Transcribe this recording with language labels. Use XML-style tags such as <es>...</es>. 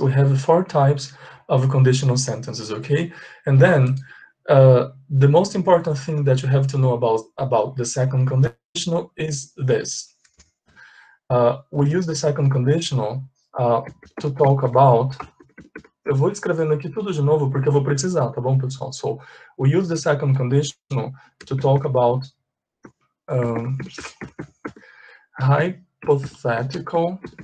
<en>We have four types of conditional sentences, okay? And then the most important thing that you have to know about the second conditional is this. We use the second conditional to talk about.</en> <pt>Eu vou escrevendo aqui tudo de novo porque eu vou precisar, tá bom, pessoal?</pt> <en>So, we use the second conditional to talk about hypothetical.</en>